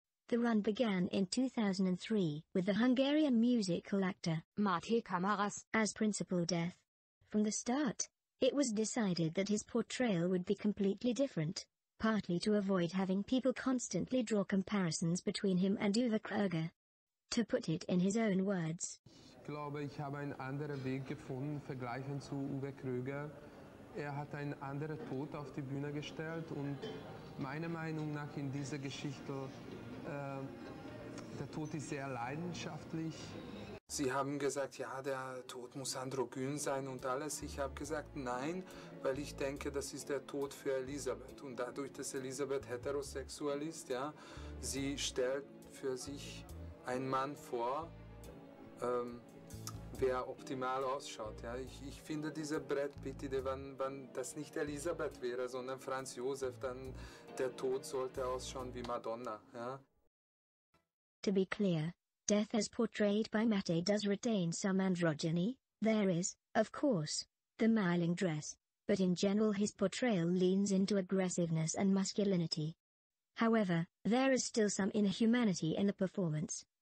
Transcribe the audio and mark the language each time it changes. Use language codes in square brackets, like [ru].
[en] The run began in 2003 with the Hungarian musical actor Máté Kamaras as Principal Death. From the start, it was decided that his portrayal would be completely different, partly to avoid having people constantly draw comparisons between him and Uwe Krüger. To put it in his own words, [de] Ich glaube, ich habe einen anderen Weg gefunden, vergleichen zu Uwe Krüger. Hat einen anderen Tod auf die Bühne gestellt und meiner Meinung nach in dieser Geschichte, der Tod ist sehr leidenschaftlich. Sie haben gesagt, ja, der Tod muss androgyn sein und alles. Ich habe gesagt, nein, weil ich denke, das ist der Tod für Elisabeth. Und dadurch, dass Elisabeth heterosexuell ist, ja, sie stellt für sich einen Mann vor, wer optimal ausschaut. Ja. Ich finde diese Brad Pitt, wenn das nicht Elisabeth wäre, sondern Franz Josef, dann der Tod sollte ausschauen wie Madonna. Ja. [en] To be clear, Death as portrayed by Máté does retain some androgyny. There is, of course, the Meiling dress, but in general his portrayal leans into aggressiveness and masculinity. However, there is still some inhumanity in the performance.